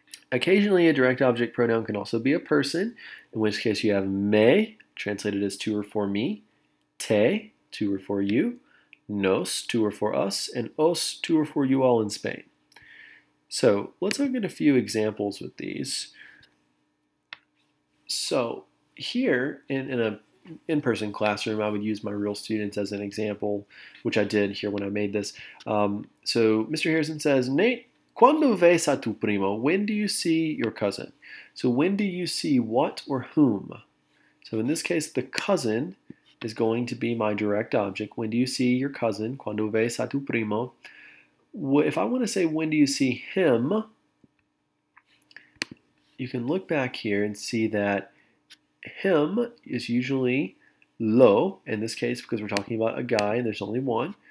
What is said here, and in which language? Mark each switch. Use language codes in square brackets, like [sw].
[en] Occasionally, a direct object pronoun can also be a person, in which case you have me, translated as to or for me, te, to or for you, nos, to or for us, and os, to or for you all in Spain. So let's look at a few examples with these. So here in an in-person classroom, I would use my real students as an example, which I did here when I made this. So Mr. [es] Harrison says, Nate, ¿cuándo ves a tu primo? [en] When do you see your cousin? So when do you see what or whom? So in this case, the cousin is going to be my direct object. When do you see your cousin? [es] Cuando ves a tu primo? [en] If I want to say when do you see him, you can look back here and see that him is usually lo, in this case, because we're talking about a guy and there's only one.